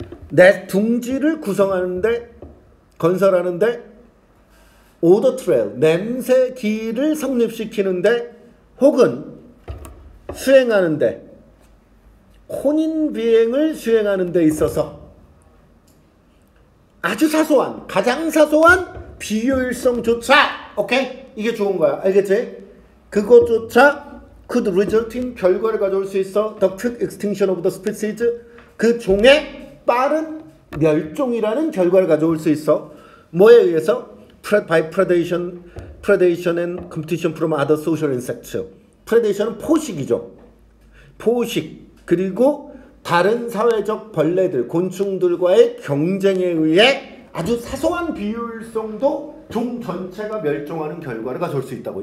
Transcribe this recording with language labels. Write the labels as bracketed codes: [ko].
[ko] 내 둥지를 구성하는데 건설하는데 오더 트레일 냄새 길을 성립시키는데 혹은 수행하는데 혼인 비행을 수행하는 데 있어서 아주 사소한 가장 사소한 비효율성조차 오케이? 이게 좋은 거야. 알겠지? 그것조차 [en] could result in [ko] 결과를 가져올 수 있어. [en] The quick extinction of the species. [ko] 그 종의 빠른 멸종이라는 결과를 가져올 수 있어. 뭐에 의해서? [en] By predation and competition from other social insects. [ko] Predation은 포식이죠. 포식. 그리고 다른 사회적 벌레들, 곤충들과의 경쟁에 의해 아주 사소한 비효율성도 종 전체가 멸종하는 결과를 가져올 수 있다고.